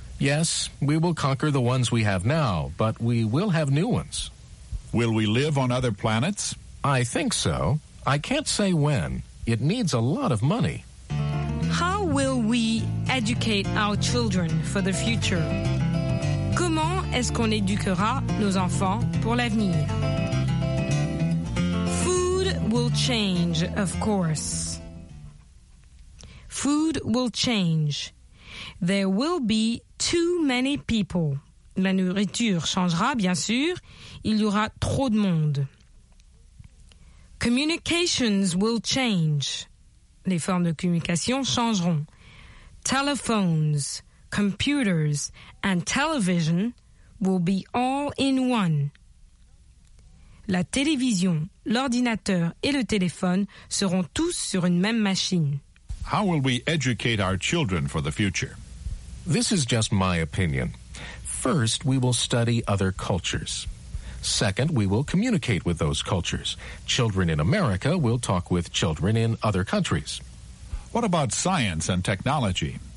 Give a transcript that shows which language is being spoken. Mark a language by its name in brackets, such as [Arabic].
[English] Yes, we will conquer the ones we have now, but we will have new ones. Will we live on other planets? I think so. I can't say when. It needs a lot of money. How will we educate our children for the future? [French] Comment est-ce qu'on éduquera nos enfants pour l'avenir? [English] Food will change, of course. Food will change. There will be too many people. [French] La nourriture changera, bien sûr. Il y aura trop de monde. [English] Communications will change. [French] Les formes de communication changeront. [English] Telephones, computers, and television will be all in one. [French] La télévision, l'ordinateur et le téléphone seront tous sur une même machine. [English] How will we educate our children for the future? This is just my opinion. First, we will study other cultures. Second, we will communicate with those cultures. Children in America will talk with children in other countries. What about science and technology?